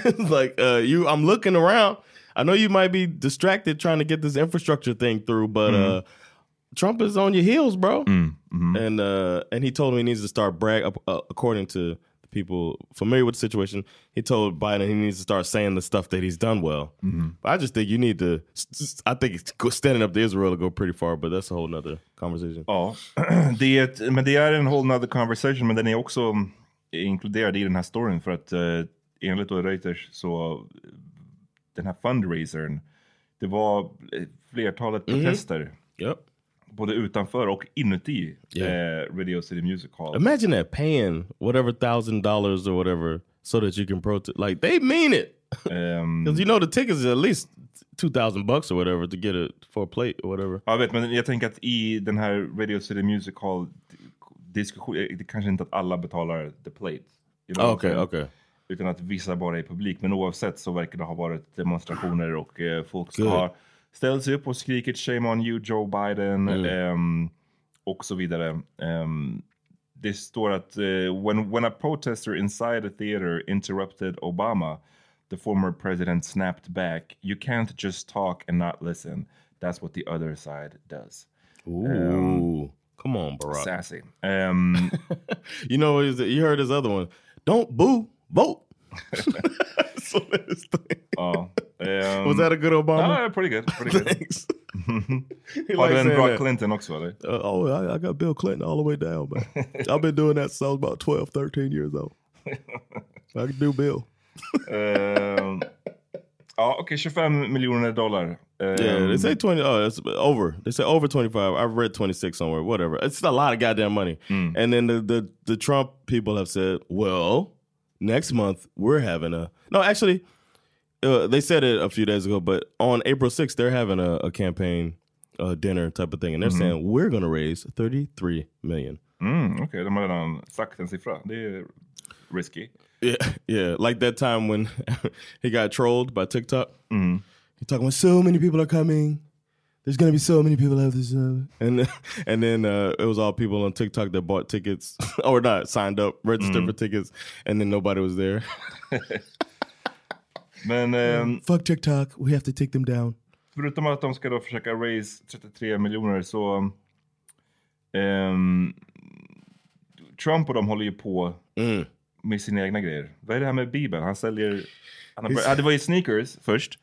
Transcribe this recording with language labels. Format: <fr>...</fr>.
<en>Like, I'm looking around. I know you might be distracted trying to get this infrastructure thing through, but Trump is on your heels, bro. And he told him he needs to start according to the people familiar with the situation, he told Biden he needs to start saying the stuff that he's done well. But I just think you need to, I think standing up to Israel will go pretty far, but that's a whole nother conversation.</en> <sv>Oh, men det är en</sv> <en>whole nother conversation,</en> <sv>men den är också inkluderad i den här storyn för att enligt Reuters så den här fundraisern, det var flertalet protester både utanför och inuti Radio City Music Hall.</sv> <en>Imagine that, paying whatever $1,000 or whatever so that you can protest. Like, they mean it. Because you know the tickets is at least $2,000 or whatever to get it for a plate or whatever.</en> <sv>Jag vet, men jag tänker att i den här Radio City Music Hall det kanske inte att alla betalar</sv> <en>the plate. You know? Okay, okay.</en> <sv>Utan att vissa bara är publik. Men oavsett så verkar det ha varit demonstrationer och folk som har ställt sig upp och skrikit</sv> <en>shame on you Joe Biden</en> <sv>och så vidare. Det står att</sv> <en>when a protester inside a theater interrupted Obama, the former president snapped back, "You can't just talk and not listen. That's what the other side does." Ooh, come on, Barack. Sassy. You know, you heard his other one. Don't boo. Vote. So was that a good Obama? No, pretty good. Pretty thanks. Good. Oh, then Brock Clinton also, right? I got Bill Clinton all the way down, man. I've been doing that since I was about 12, 13 years old. I can do Bill.</en> <sv>Ja, okej, 25 miljoner dollar.</sv> <en>They say 20, it's over. They say over 25. I've read 26 somewhere, whatever. It's a lot of goddamn money. Mm. And then the Trump people have said, well, next month we're having a... No, actually, they said it a few days ago, but on April 6th, they're having a campaign dinner type of thing. And they're saying, we're going to raise $33 million.</en> <sv>Okay, de har redan sagt en siffra. Det är risky.</sv> <en>Yeah, like that time when he got trolled by TikTok. He talking about so many people are coming. There's gonna be so many people out this. And then it was all people on TikTok that bought tickets or not signed up, registered for tickets, and then nobody was there.</en> <sv>Men</sv> <en>fuck TikTok, we have to take them down.</en> <sv>Förutom att de ska då försöka raise 33 miljoner, så Trump och de håller ju på med sina egna grejer. Vad är det här med Bibeln? Han säljer... det var ju sneakers först.</sv>